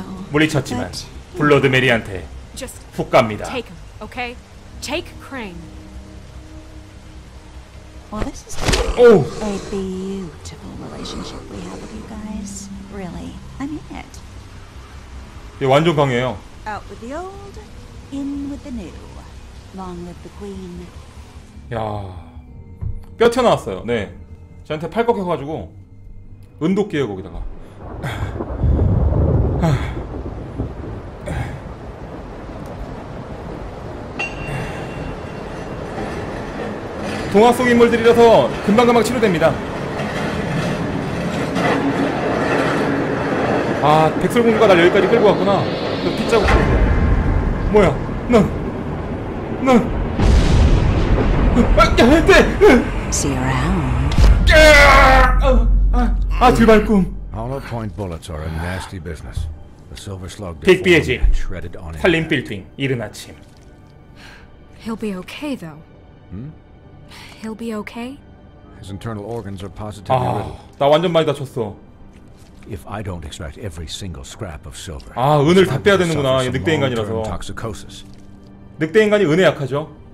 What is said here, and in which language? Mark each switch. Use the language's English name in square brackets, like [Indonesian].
[Korean] 물리쳤지만 블러드 메리한테 훅 갑니다. [English] Take him, okay? Take Crane. Well, this is a beautiful relationship we have with you guys. Really, I mean it. [Korean] 얘 완전 강해요. [English] Out with the old, in with the new. Long live the queen. [Korean] 야, 뼈 튀어나왔어요. 네, 저한테 팔 꺾여가지고 은도끼예요 거기다가. 동화 속 인물들이라서 금방금방 치료됩니다. 아, 백설공주가 날 여기까지 끌고 왔구나. 너 핏자국. 뭐야, 넌! 야, 대! 뒤발꿈. [English] Hollow point bullets are a nasty business. The silver slug deformed and on [Korean] 살림 빌딩, 이른 아침. [English] He'll be okay though. He'll be okay. His internal organs are positively riddled. [Korean] 나 완전 많이 다쳤어. [English] If I don't extract every single scrap of silver. [Korean] 아, 은을 다 빼야 되는구나. 이 늑대 인간이라서. Toxicosis. 늑대 인간이 은에 약하죠.